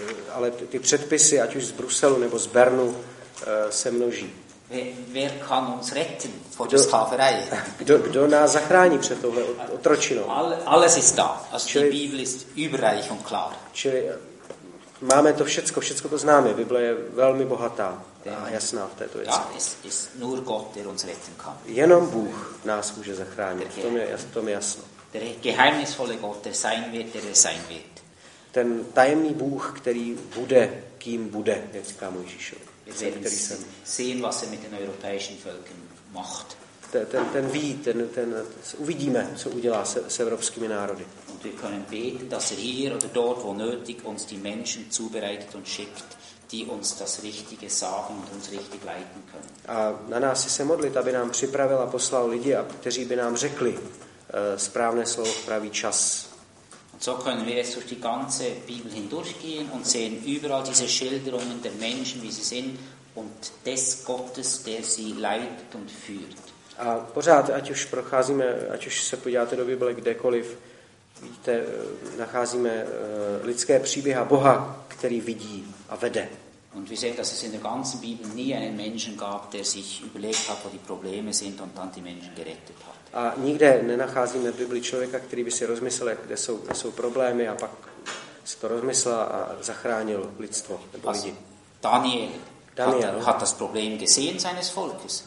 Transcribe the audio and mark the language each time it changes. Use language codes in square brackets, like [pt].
[cs] Ale ty předpisy, ať už z Bruselu nebo z Bernu, se množí. [de] Wer kann uns retten vor der Sklaverei? [cs] Kdo nás zachrání před touhle otročinou? [de] Alles ist da. Die Bibel ist überreich und klar. [cs] Čili máme to všecko to známe. Bible je velmi bohatá a jasná v této věci. [de] Ist nur Gott, der uns retten kann. [cs] Jenom Bůh nás může zachránit. To mi jasno. [de] Der geheimnisvolle Gott, der sein wird, der er sein wird. [cs] Ten tajemný Bůh, který bude, kým bude, jak říká Mojžíšovi. [de] Sehen, was er mit den europäischen Völkern macht. [cs] Ten uvidíme, co udělá s evropskými národy. [de] Und wir können beten, dass er hier oder dort, wo nötig, uns die Menschen zubereitet und schickt, die uns das Richtige sagen und uns richtig leiten können. [cs] A na nás se modlit, aby nám připravil a poslal lidi, kteří by nám řekli správné slovo v pravý čas. [de] So können wir jetzt durch die ganze Bibel hindurchgehen und sehen überall diese Schilderungen der Menschen, wie sie sind und des Gottes, der sie leitet und führt. [cs] A pořád, ať už procházíme, ať už se podíváte do Bible kdekoliv, vidíte, nacházíme lidské příběhy a Boha, který vidí a vede. [de] Und wir sehen, dass es in der ganzen Bibel nie einen Menschen gab, der sich überlegt hat, wo die Probleme sind und dann die Menschen gerettet hat. [cs] A nikde nenacházíme v Biblii člověka, který by si rozmyslel, kde jsou problémy a pak se to rozmyslel a zachránil lidstvo nebo lidi. [de] Daniel hat das Problem gesehen seines Volkes.